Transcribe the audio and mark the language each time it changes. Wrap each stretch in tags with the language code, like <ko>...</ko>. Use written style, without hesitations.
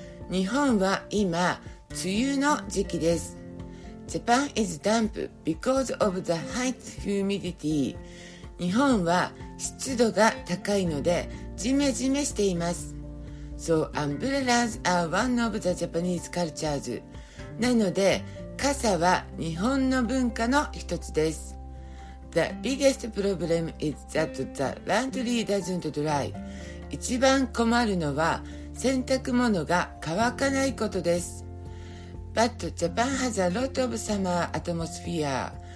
<ja>日本は今、梅雨の時期です。</ja> <en>Japan is damp because of the high humidity.</en> <ja>日本は湿度が高いので、ジメジメしています。</ja> <en>So, umbrellas are one of the Japanese cultures.</en> <ja>なので、傘は日本の文化の一つです。</ja> <en>The biggest problem is that the laundry doesn't dry.</en> <ja>一番困るのは洗濯物が乾かないことです。</ja> <en>But Japan has a lot of summer atmosphere.</en>